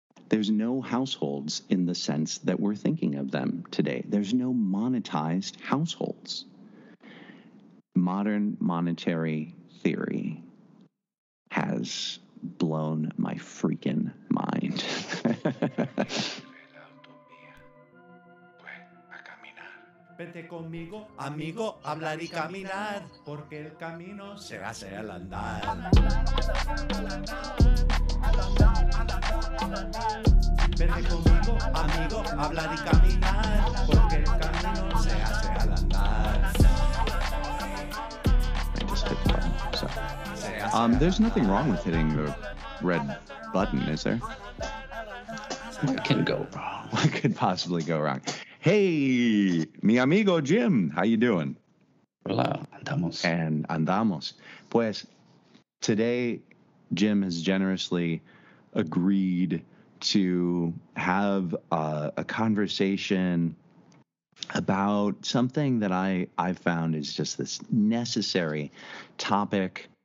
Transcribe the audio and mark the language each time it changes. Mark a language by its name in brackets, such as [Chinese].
[English] There's no households in the sense that we're thinking of them today. There's no monetized households. Modern monetary theory has blown my freaking mind. [Spanish] Vete conmigo, amigo, hablar y caminar, porque el camino se hace al andar. Vete conmigo, amigo, hablar y caminar, porque el camino se hace al andar. [English] There's nothing wrong with hitting the red button, is there? What can go wrong? What could possibly go wrong? Hey, [Spanish] mi amigo [English] Jim, how you doing? [Spanish] Hola, andamos. And andamos. [English] Pues, today, Jim has generously agreed to have a conversation about something that I found is just this necessary topic.